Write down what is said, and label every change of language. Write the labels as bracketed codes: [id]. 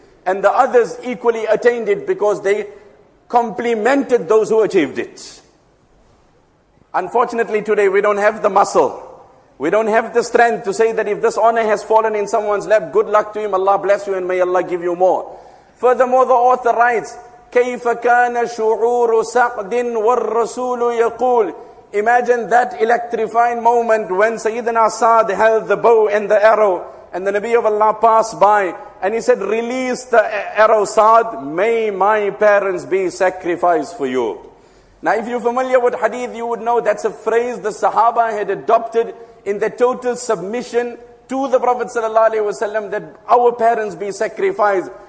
[en] And the others equally attained it because they complimented those who achieved it. Unfortunately today we don't have the muscle. We don't have the strength to say that if this honor has fallen in someone's lap, good luck to him, Allah bless you and may Allah give you more. Furthermore, the author writes, [ar] كَيْفَ كَانَ شُعُورُ سَعْدٍ وَالرَّسُولُ يَقُولُ. [en] Imagine that electrifying moment when Sayyidina Sa'd held the bow and the arrow and the Nabi of Allah passed by and he said, release the arrow, Sa'd, may my parents be sacrificed for you. Now if you're familiar with hadith, you would know that's a phrase the Sahaba had adopted in their total submission to the Prophet sallallahu alaihi wasallam, that our parents be sacrificed.